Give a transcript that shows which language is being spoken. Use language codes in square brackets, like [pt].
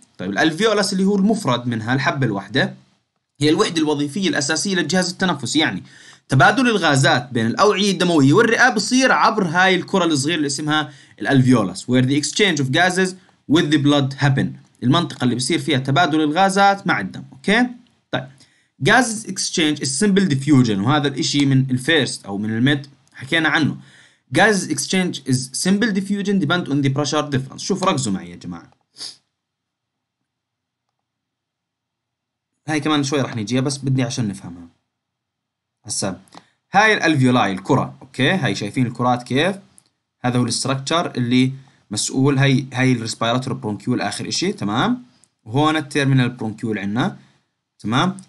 [ar] طيب الالفيولاس اللي هو المفرد منها، الحبه الواحده هي الوحده الوظيفيه الاساسيه للجهاز التنفسي، يعني تبادل الغازات بين الاوعيه الدمويه والرئه بصير عبر هاي الكره الصغيره اللي اسمها الالفيولاس، [en] where the exchange of gases with the blood happen، [ar] المنطقه اللي بصير فيها تبادل الغازات مع الدم اوكي. [en] gas exchange is simple diffusion، [ar] وهذا الاشي من الفيرست او من الميد حكينا عنه. [en] gas exchange is simple diffusion depend on the pressure difference. [ar] شوف ركزوا معي يا جماعة، هاي كمان شوي رح نجيها بس بدي عشان نفهمها هسا. هاي الالفيولاي الكرة اوكي، هاي شايفين الكرات كيف، هذا هو الستركتشر اللي مسؤول، هاي الريسبيراتور برونكيول اخر اشي تمام، وهون التيرمينال برونكيول عنا تمام.